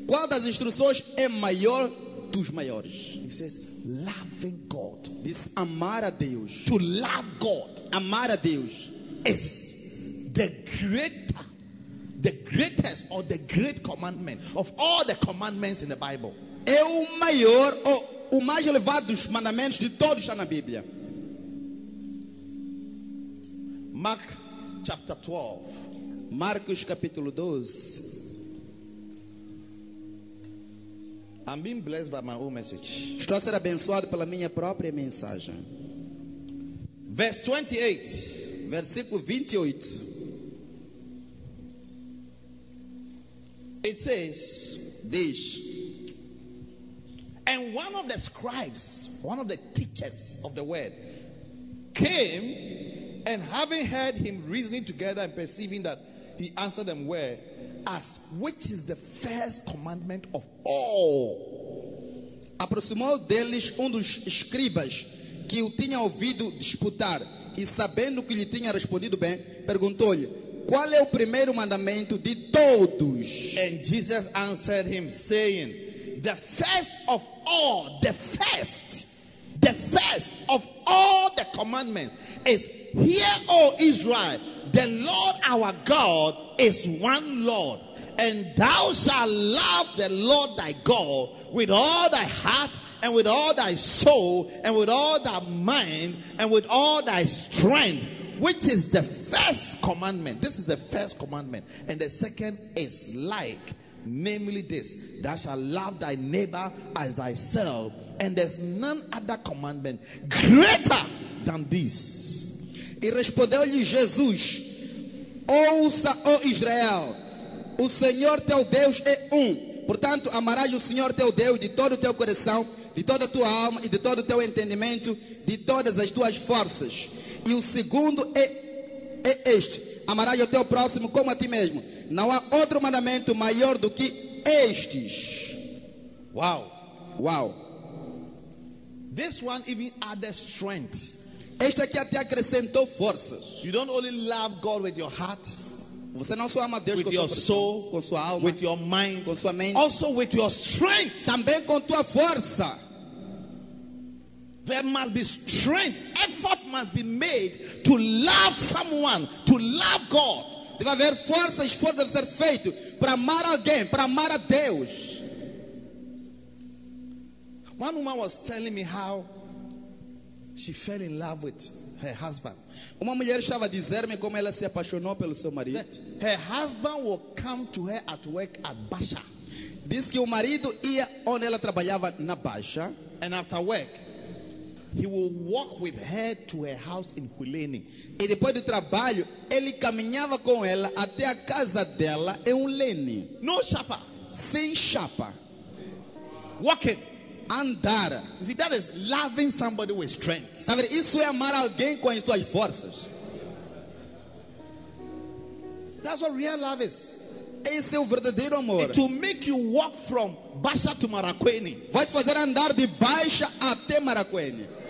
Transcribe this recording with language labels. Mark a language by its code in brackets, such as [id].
[pt] Qual das instruções é maior dos maiores? [en] He says, loving God. [pt] Diz amar a Deus. [en] To love God. [pt] Amar a Deus. [en] Is the greatest or the great commandment of all the commandments in the Bible. [pt] É o maior ou o mais elevado dos mandamentos de todos na Bíblia. [en] Mark chapter 12. [pt] Marcos capítulo 12. [en] I'm being blessed by my own message. [pt] Estou a ser abençoado pela minha própria mensagem. [en] Verse 28. [pt] Versículo 28. [en] It says, this. And one of the scribes, one of the teachers of the word, came and having heard him reasoning together and perceiving that he answered them well, asked, which is the first commandment of all? [pt] Aproximou deles dos escribas que o tinha ouvido disputar e sabendo que lhe tinha respondido bem, perguntou-lhe, qual é o primeiro mandamento de todos? [en] And Jesus answered him, saying, the first of all, the first of all the commandments is, hear, O Israel, the Lord our God is one Lord, and thou shalt love the Lord thy God with all thy heart, and with all thy soul, and with all thy mind, and with all thy strength. Which is the first commandment? This is the first commandment. And the second is like, namely this, thou shalt love thy neighbor as thyself. And there's none other commandment greater than this. [pt] E respondeu-lhe Jesus, ouça, ó Israel, o Senhor teu Deus é um. Portanto, amarás o Senhor teu Deus de todo o teu coração, de toda a tua alma e de todo o teu entendimento, de todas as tuas forças. E o segundo é este, amarás o teu próximo como a ti mesmo. Não há outro mandamento maior do que estes. Uau! Uau! [en] This one even added strength. [pt] Este aqui até acrescentou forças. [en] You don't only love God with your heart. [pt] Você não só ama Deus [en] with [pt] com [en] your soul, [pt] com sua alma, [en] with your mind, [pt] com sua mente, [en] also with your strength, [pt] também com tua força. [en] There must be strength, effort must be made to love someone, to love God. [pt] Deve haver força, esforço deve ser feito para amar alguém, para amar a Deus. [en] One woman was telling me how she fell in love with her husband. [pt] Uma mulher estava a dizer-me como ela se apaixonou pelo seu marido. [en] That her husband would come to her at work at Baixa. [pt] Diz que o marido ia onde ela trabalhava na Baixa. [en] And after work, he would walk with her to her house in Huleni. [pt] E depois do trabalho, ele caminhava com ela até a casa dela em Huleni. [en] No chapa. [pt] Sem chapa. [en] Walking. [pt] Andar. [en] You see, that is loving somebody with strength. [pt] Isso é amar alguém com as suas forças. [en] That's what real love is. [pt] Esse é o verdadeiro amor. [en] It will make you walk from Baixa to Marakweni. [pt] Vai te fazer andar de Baixa até Marakweni.